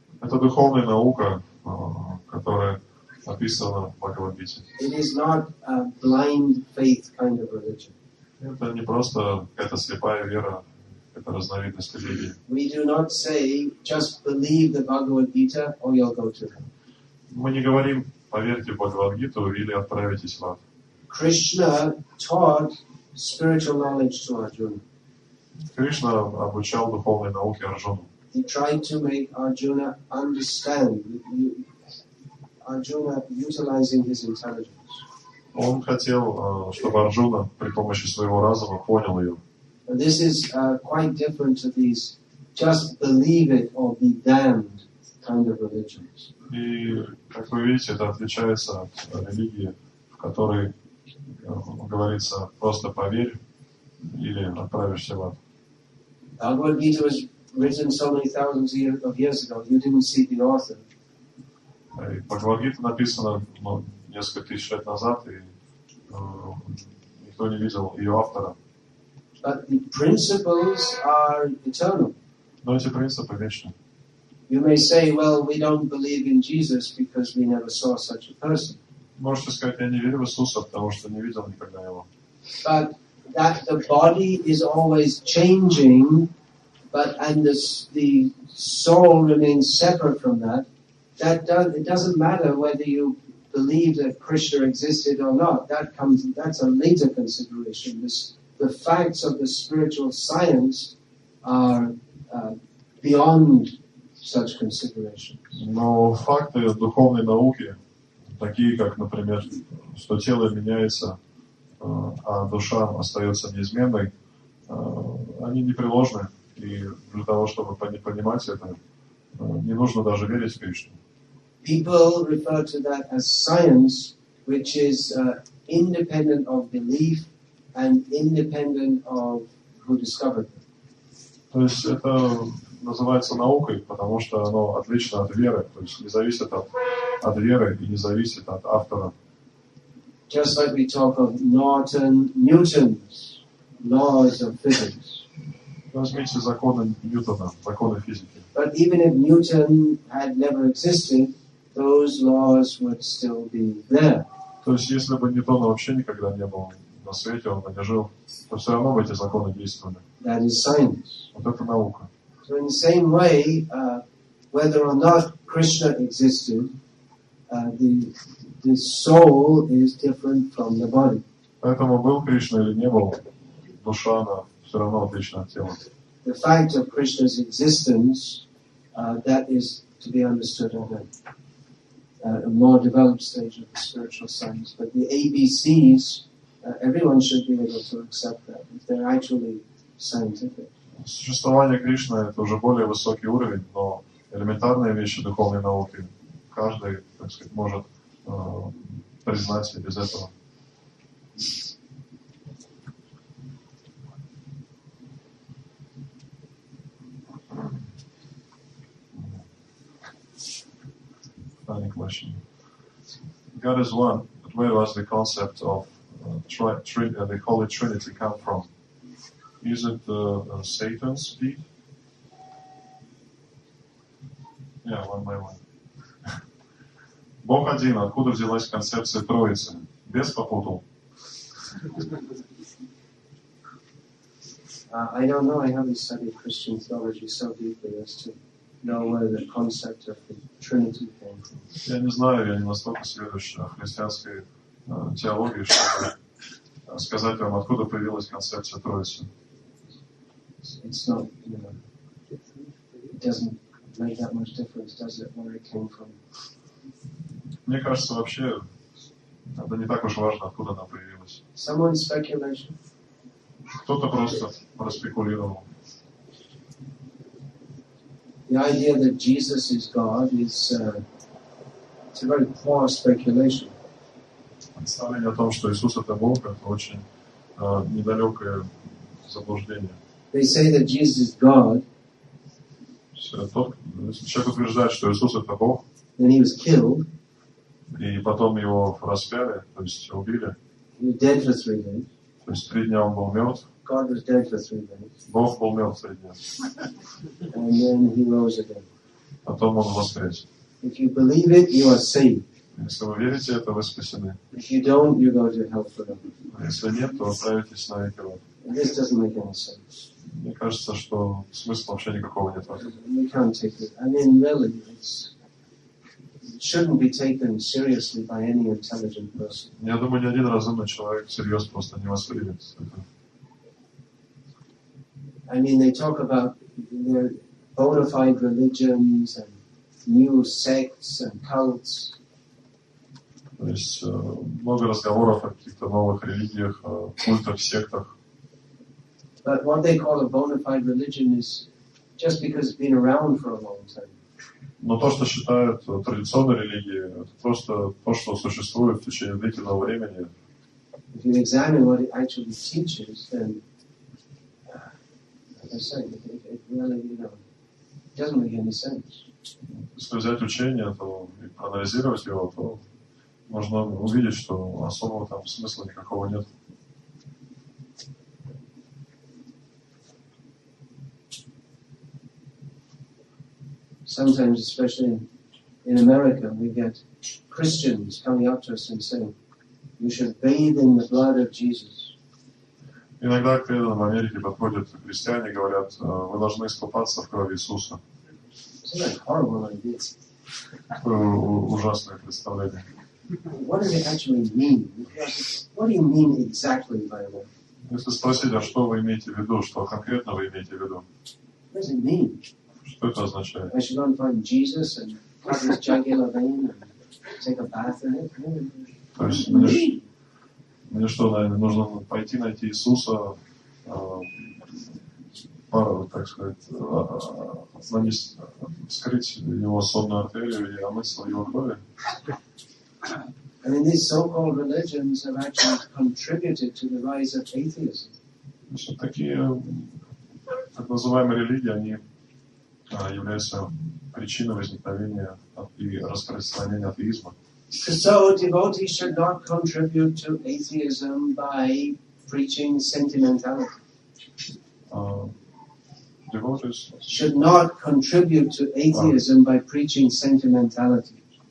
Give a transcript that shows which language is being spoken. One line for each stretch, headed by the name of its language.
Russian: Это духовная наука, которая описана в Бхагавад-гите.
English: It is not a blind faith kind of religion.
Russian: Это не просто какая-то слепая вера, это разновидность религии.
English: We do not say just believe the Bhagavad-gita or you'll go to hell.
Russian: Мы не говорим поверьте в Бхагавад-гиту или отправитесь в ад.
English: Krishna taught spiritual knowledge to Arjuna.
Russian: Кришна обучал духовной науке Арджуну.
English: He tried to make Arjuna understand. Arjuna utilizing his intelligence.
Russian: Он хотел, чтобы Арджуна при помощи своего разума понял ее.
English: And this is quite different to these just believe it or be damned kind of religions.
Russian: И, как вы видите, это отличается от религии, в которой говорится просто поверь или отправишься в ад.
English: Bhagavad Gita was written so many thousands of years ago, you didn't see the author.
Russian: Бхагавад-гита написана несколько тысяч лет назад, и никто не видел ее автора.
English: But the principles are eternal.
Russian: Но эти принципы вечны.
English: You may say, well, we don't believe in Jesus because we never saw such a person.
Russian: Можете сказать, я не верю в Иисуса, потому что не видел никогда его.
English: But that the body is always changing, but and the soul remains separate from that. It doesn't matter whether you believe that Krishna existed or not. That's a later consideration. The facts of the spiritual science are beyond such considerations.
Russian: Но факты духовной науки, такие как, например, что тело меняется, а душа остается неизменной, они непреложны. И для того, чтобы понимать это, не нужно даже верить в Кришну.
English: People refer to that as science, which is independent of belief and independent of who discovered them.
Russian: То есть это называется наукой, потому что оно отлично от веры, то есть не зависит от веры и не зависит от автора.
English: Just like we talk of Newton's laws of physics.
Russian: Возьмите законы Ньютона, законы физики.
English: But even if Newton had never existed, those laws would still be there.
Russian: То есть если бы Ньютона вообще никогда не было на свете, он бы не жил, то все равно бы эти законы действовали.
English: That is science.
Russian: Вот это наука.
English: So in the same way, whether or not Krishna existed, the soul is different from the body.
Russian: Поэтому был Кришна или не был, душа, она все равно отлична от тела.
English: The fact of Krishna's existence, that is to be understood at a more developed stage of the spiritual science. But the ABCs, everyone should be able to accept that if they're actually scientific.
Russian: Существование Кришны — это уже более высокий уровень, но элементарные вещи духовной науки каждый, так сказать, может признать себе без этого.
English: Any question? God is one. But where does the concept of the Holy Trinity come from? Is it Satan's speed? Yeah, one by one.
Russian: Бог один. Откуда взялась концепция Троицы? Без попутал.
English: I don't know. I haven't studied Christian theology so deeply as to know where the concept of the Trinity came from.
Russian: Я не знаю. Я не настолько сведущ о христианской теологии, чтобы сказать вам, откуда появилась концепция Троицы.
English: It's not, it doesn't make that much difference, does it, where it came from?
Russian: Мне кажется, вообще это не так уж важно, откуда она появилась.
English: Someone speculation.
Russian: Кто-то просто проспекулировал.
English: The idea that Jesus is God is it's a very poor speculation.
Russian: Представление о том, что Иисус это Бог, это очень недалекое заблуждение.
English: They say that Jesus is God.
Russian: Человек утверждает, что Иисус это Бог.
English: Then he was killed.
Russian: И потом его распяли, то есть убили.
English: He was dead for 3 days.
Russian: То есть 3 дня он был мертв.
English: God was dead for 3 days.
Russian: Бог был мертв 3 дня.
English: And then he rose again.
Russian: Потом он воскрес.
English: If you believe it, you are saved.
Russian: Если вы верите это, вы спасены.
English: If you don't, you go to hell for them.
Russian: А если нет, то отправитесь на веки вот.
English: This doesn't make any sense.
Russian: Мне кажется, что смысла вообще никакого нет.
English: We can't take it. I mean, really, it shouldn't be taken seriously by any intelligent person.
Russian: Я думаю, ни один разумный человек всерьез просто не воспримет это.
English: I mean, they talk about their bona fide religions and new sects and cults.
Russian: То есть много разговоров о каких-то новых религиях, о культах, сектах.
English: But what they call a bona fide religion is just because it's been around for a long time.
Russian: Но то, что считают традиционной религией, это просто то, что существует в течение длительного времени.
English: If you examine what it actually teaches, then, like I said, it really, doesn't make any sense.
Russian: Если взять учение, то и проанализировать его, то можно увидеть, что особого там смысла никакого нет.
English: Sometimes, especially in America, we get Christians coming up to us and saying, "You should bathe in the blood of Jesus."
Russian: Иногда к нам в Америке подходят христиане и говорят, вы должны искупаться в крови Иисуса.
English: Isn't that horrible idea?
Russian: Ужасное представление.
English: What does it actually mean? What do you mean exactly by that?
Russian: Если спросить, а что вы имеете в виду, что конкретно вы имеете в виду?
English: What does it mean?
Russian: Что это означает?
English: I should go and find Jesus and put this jugular vein and take a bath in it.
Russian: То есть мне что, наверное, нужно пойти найти Иисуса, так сказать, вскрыть его сонную артерию и омыть свою кровь?
English: I mean, these so-called religions have actually contributed to the rise of atheism.
Russian: Значит, такие так называемые религии, они являются причиной возникновения и распространения атеизма.
English: So a devotee should not contribute to atheism by preaching sentimentality. Devotees should not contribute to atheism by preaching sentimentality.